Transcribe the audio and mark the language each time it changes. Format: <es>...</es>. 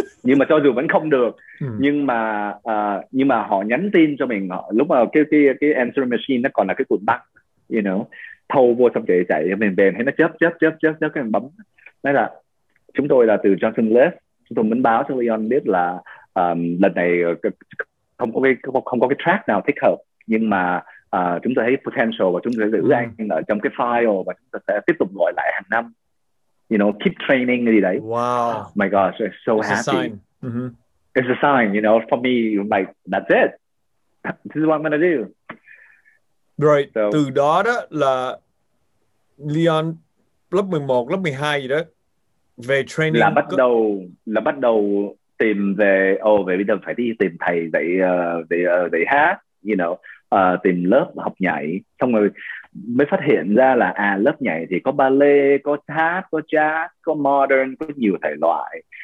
<vi>Nhưng mà cho dù vẫn không được, nhưng mà họ nhắn tin cho mình, họ lúc mà cái answering machine nó còn là cái cuộn băng,</vi> <en>you know,</en> <vi>thâu vô xong chạy chạy mình về thấy nó chớp cái mình bấm, nói là chúng tôi là từ Johnson Lewis, chúng tôi muốn báo cho Leon biết là lần này không có cái track nào thích hợp, nhưng mà chúng tôi thấy potential và chúng tôi giữ anh ở trong cái file và chúng tôi sẽ tiếp tục gọi lại hàng năm, you know,</vi> <en>keep training</en> <vi>gì đấy.</vi> <en>Wow. Oh my gosh, it's so it's happy. A sign. Mm-hmm. It's a sign, you know, for me, like, that's it. This is what I'm gonna do. Right, so,</en> <vi>từ đó là Leon lớp 11, lớp 12 gì đó, về training là bắt đầu tìm về về bây giờ phải đi tìm thầy dạy dạy hát,</vi> <en>you know,</en> <vi>tìm lớp học nhảy, xong rồi mới phát hiện ra là lớp nhảy thì có ballet, có hát, có jazz, có modern, có nhiều thể loại.</vi>